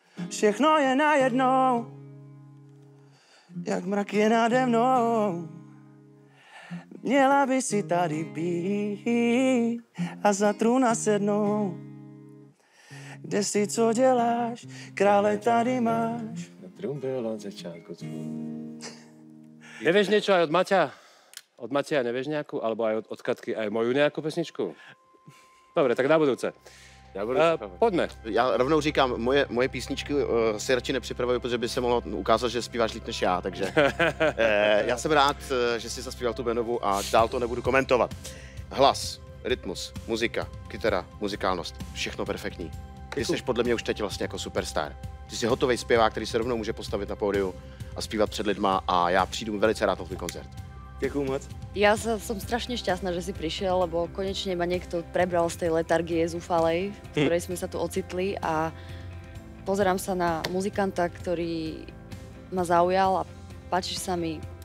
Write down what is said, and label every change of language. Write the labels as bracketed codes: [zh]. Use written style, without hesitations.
[cs] Všechno je najednou, jak mrak je nade mnou. Měla by si tady být a za trůna sednou. Kde jsi, co děláš, krále tady máš. Na trůn bylo od začátku zvůl. [sk] Nevieš niečo aj od Maťa? Od Matia nevieš nejakú? Alebo aj od Katky, aj moju nejakú pesničku? Dobre, tak na budúce. Poďme. [cs] Ja rovnou říkám, moje písničky si radši nepřipravuju, [sk] pretože by sa mohlo ukázať, [cs] že spíváš líp než ja, takže... [sk] ja som rád, že si zaspíval tú Benovu a [cs] dál to nebudu [sk] komentovať. [cs] Hlas, rytmus, muzika, kytara, muzikálnosť, všechno perfektní. Ty seš [sk] podľa mňa [cs] už teď vlastne ako superstar. Ty si hotovej zpěvák, který se rovnou může postavit na pódiu a zpívat před lidma a já přijdu velice rád na tvůj koncert. Děkuju moc. Já jsem strašně šťastná, že jsi přišel, [sk] lebo [cs] konečně ma někdo prebral z té letargie [sk] zúfalej, [cs] v které jsme se tu ocitli a [sk] pozerám [cs] se na muzikanta, který ma zaujal a [sk] páčí [cs] se mi.